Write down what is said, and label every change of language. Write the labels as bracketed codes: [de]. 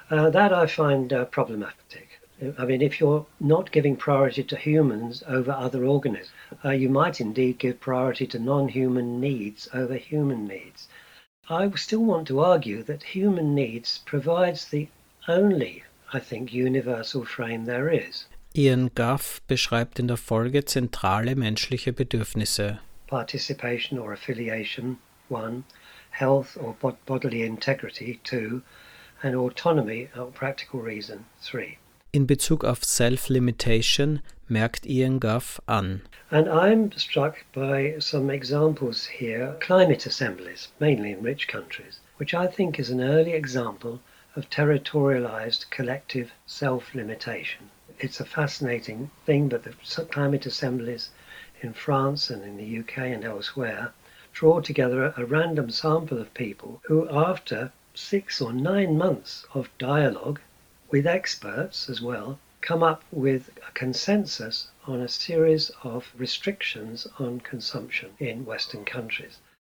[en] That I find problematic. I mean, if you're not giving priority to humans over other organisms, you might indeed give priority to non-human needs over human needs. I still want to argue that human needs provides the only, I think, universal frame there is. [de] Ian Gough beschreibt in der Folge zentrale menschliche Bedürfnisse. [en] Participation or affiliation, one, health or bodily integrity, two, and autonomy or practical reason, three. [de] In Bezug auf [en] self-limitation, [de] merkt Ian Gough an. [en] And I'm struck by some examples here, climate assemblies, mainly in rich countries, which I think is an early example of territorialized collective self-limitation. It's a fascinating thing, but the climate assemblies in France and in the UK and elsewhere, draw together a random sample of people who, after 6 or 9 months of dialogue with experts as well, come up with a consensus on a series of restrictions on consumption in Western countries.